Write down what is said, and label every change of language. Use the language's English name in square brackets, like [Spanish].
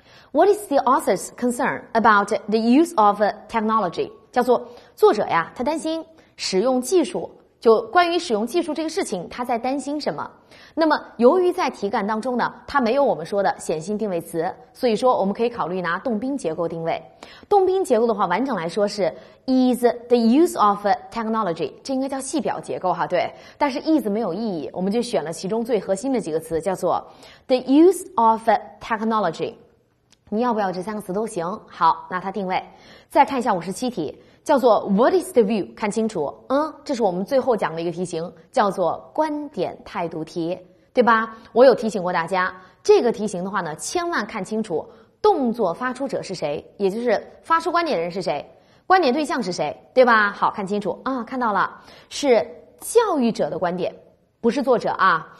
[English] What is the author's concern about the use of technology? [Chinese] 叫做作者呀，他担心使用技术，就关于使用技术这个事情，他在担心什么？那么由于在题干当中呢，他没有我们说的显性定位词，所以说我们可以考虑拿动宾结构定位。动宾结构的话，完整来说是 [English] is the use of technology， [Chinese] 这应该叫系表结构哈，对。但是 is 没有意义，我们就选了其中最核心的几个词，叫做 [English] the use of technology。 [Chinese] 你要不要这三个词都行，好，那它定位。再看一下57题，叫做 [English] What is the view? [Chinese] 看清楚，这是我们最后讲的一个题型，叫做观点态度题，对吧？我有提醒过大家，这个题型的话呢，千万看清楚动作发出者是谁，也就是发出观点的人是谁，观点对象是谁，对吧？好，看清楚啊，看到了，是教育者的观点，不是作者啊。